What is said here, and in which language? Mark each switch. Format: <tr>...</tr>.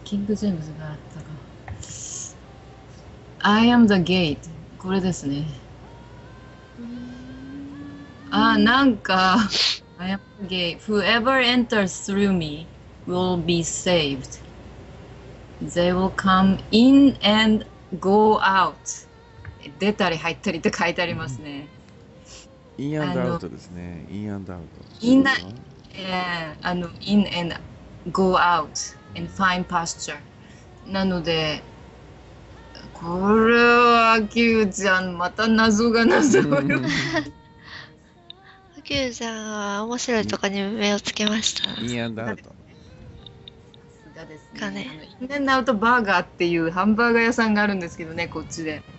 <ja>キングジェームズがあったか。</ja> <en>I am the gate、</en> <ja>これですね。なんか、</ja> <en>I am the gate. Whoever enters through me will be saved. They will come in and go out.</en> <ja>出たり入ったりって書いてありますね。</ja> <en>In and out</en> <ja>ですね。</ja> <en>In and out。 In and go out and find pasture。</en> <ja>なので、これはアキューちゃん、また謎が謎よ。アキューちゃんは面白いとこに目をつけました。インアンドアウト。さすがですね。インアンドアウトバーガーっていうハンバーガー屋さんがあるんですけどね、こっちで。</ja>